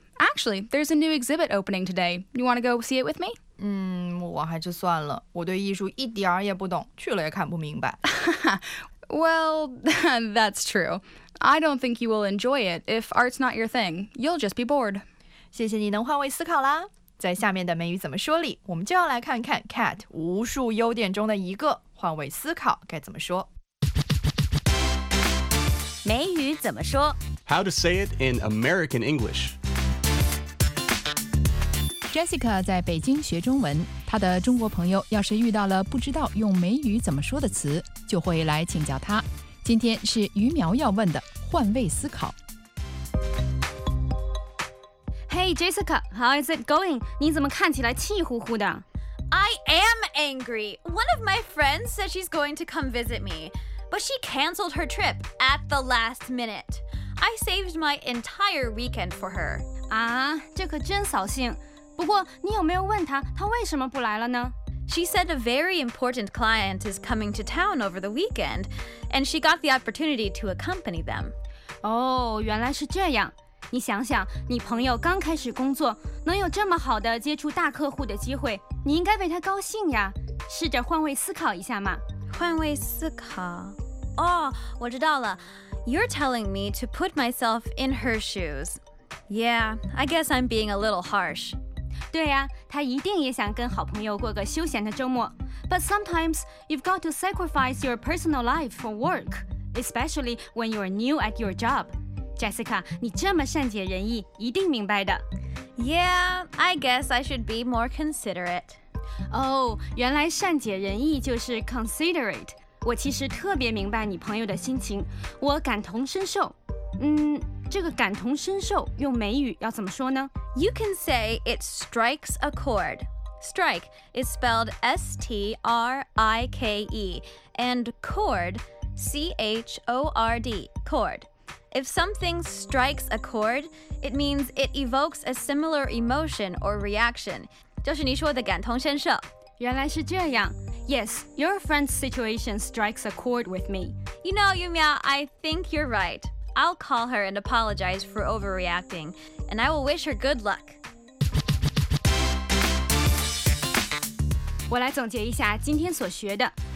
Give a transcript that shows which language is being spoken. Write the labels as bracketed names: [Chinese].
[English] Actually, there's a new exhibit opening today. You want to go see it with me? [Chinese] 我还就算了。我对艺术一点也不懂。去了也看不明白。 [English] Well, that's true. I don't think you will enjoy it if art's not your thing. You'll just be bored. [Chinese] 谢谢你能换位思考啦。在下面的美语怎么说里，我们就要来看看 Cat 无数优点中的一个，换位思考该怎么说。美语怎么说？ [English] How to say it in American English. [Chinese] Jessica 在北京学中文，她的中国朋友要是遇到了不知道用美语怎么说的词，就会来请教她。今天是于苗要问的换位思考。 [English] Hey, Jessica, how is it going? [Chinese] 你怎么看起来气呼呼的? [English] I am angry. One of my friends said she's going to come visit me, but she canceled her trip at the last minute. I saved my entire weekend for her. [Chinese] 啊,这可真扫兴。不过你有没有问她,她为什么不来了呢? [English] She said a very important client is coming to town over the weekend, and she got the opportunity to accompany them. [Chinese] 哦,原来是这样。你想想，你朋友刚开始工作，能有这么好的接触大客户的机会，你应该为他高兴呀。试着换位思考一下嘛。换位思考？哦，我知道了。 [English] You're telling me to put myself in her shoes. Yeah, I guess I'm being a little harsh. [Chinese] 对呀，他一定也想跟好朋友过个休闲的周末。 [English] But sometimes you've got to sacrifice your personal life for work, especially when you're new at your job. [Chinese] Jessica, 你这么善解人意，一定明白的。 [English] Yeah, I guess I should be more considerate. [Chinese] 哦，原来善解人意就是 considerate。我其实特别明白你朋友的心情，我感同身受。这个感同身受用美语要怎么说呢？ [English] You can say it strikes a chord. Strike is spelled S-T-R-I-K-E and chord, C-H-O-R-D, chord. If something strikes a chord, it means it evokes a similar emotion or reaction. [Chinese] 就是你说的感同身受。原来是这样。 [English] Yes, your friend's situation strikes a chord with me. You know, Yumiao, I think you're right. I'll call her and apologize for overreacting, and I will wish her good luck. [Chinese] 我来总结一下今天所学的。